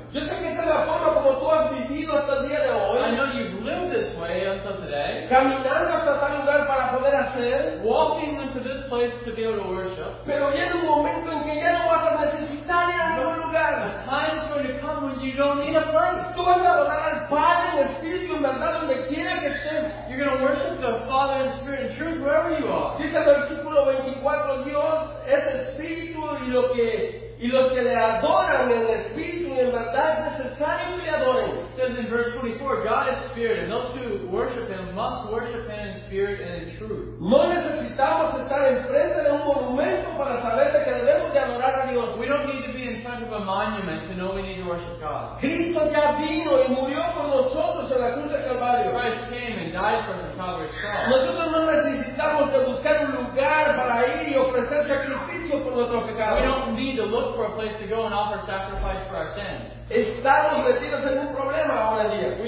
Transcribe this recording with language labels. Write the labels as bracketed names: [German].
[Spanish] Yo sé que es la forma como tú has vivido hasta el día de hoy. [English] I know you've lived this way until today. [Spanish] Caminando hasta tal lugar para poder hacer. [English] Walking into this place to be able to worship. [Spanish] Pero viene un momento en que ya no vas a necesitar ir a ningún lugar. [English] A time is going to come when you don't need a place. [Spanish] Tú vas a adorar al Padre en espíritu en verdad donde quiera que estés. [English] You're going to worship the Father in spirit and truth wherever you are. [Spanish] Dice el versículo 24, Dios es espíritu y lo que Y los que le adoran en espíritu y en verdad necesario que le adoren. [English] Says in verse 24, God is spirit, and those who worship Him must worship Him in spirit and in truth. [Spanish] No necesitamos estar enfrente de un monumento para saber que debemos de adorar a Dios. [English] We don't need to be in front of a monument to know we need to worship God. [Spanish] Cristo ya vino y murió por nosotros en la cruz del Calvario. [English] Christ came and died for us on Calvary's cross. [Spanish] Nosotros no necesitamos de buscar un lugar para ir y ofrecer sacrificio por nuestro pecado. [English] We don't need to look for a place to go and offer sacrifice for our sins. [Spanish] Estamos metidos en un problema ahora en día.